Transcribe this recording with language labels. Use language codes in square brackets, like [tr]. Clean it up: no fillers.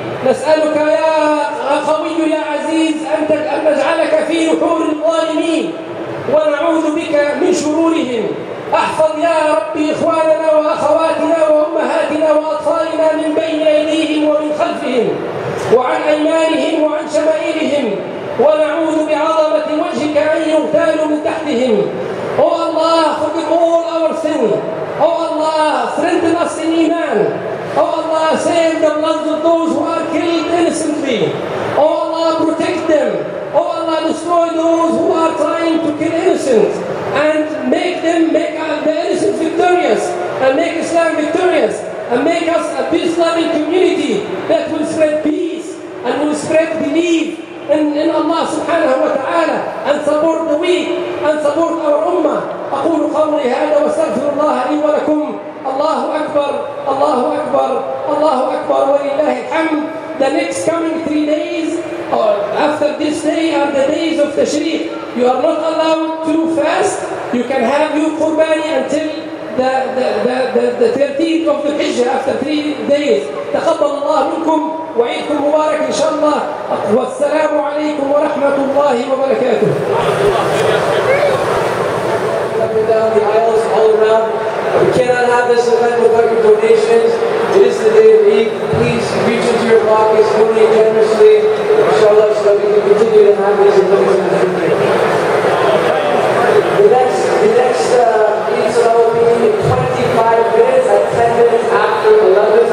[ar] نسألك يا قوي يا عزيز أن نجعلك في نحور الظالمين، ونعوذ بك من شرورهم. احفظ يا ربي إخواننا وأخواتنا وأمهاتنا وأطفالنا من بين أيديهم ومن خلفهم وعن أيمانهم وعن شمائلهم، ونعوذ بعظمة وجهك أن يغتالوا من تحتهم. [en] أو الله forgive all our sins. أو الله strengthen us in iman. أو الله save the blood of those who are killed innocently. أو الله protect them. أو الله destroy those who are trying to kill innocents and make them the innocents victorious and make Islam victorious and make us a peace-loving community that will spread peace and will spread belief in Allah subhanahu wa ta'ala and support the weak and support our ummah. [ar] أقول قولي هذا وأستغفر الله لي ولكم. الله أكبر الله أكبر الله أكبر ولله الحمد. [en] The next coming 3 days or after this day are the days of Tashreeq. You are not allowed to fast. You can have your qurbani until the 13th of the Hijjah after 3 days. [ar] تقبل الله منكم وعيدكم مبارك إن شاء الله. والسلام عليكم ورحمة الله وبركاته. [en] Down the aisles all around. We cannot have this event without your donations. It is the day of Eid. Please reach into your pockets, donate generously, inshallah, so that we can continue to have these events. The next Eid Salah will be in 25 minutes at 10 minutes after 11.